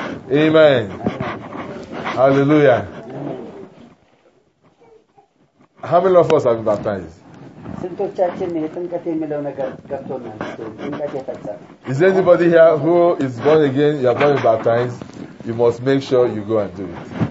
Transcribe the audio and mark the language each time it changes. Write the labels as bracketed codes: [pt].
[en] Amen. Hallelujah. How many of us have been baptized? [am] ስንቶቻችን የጥንቀት የሚለው ነገር ገብቶናል? ጥንቀት የፈጸመ [en] Is anybody here who is born again? You have been baptized. You must make sure you go and do it.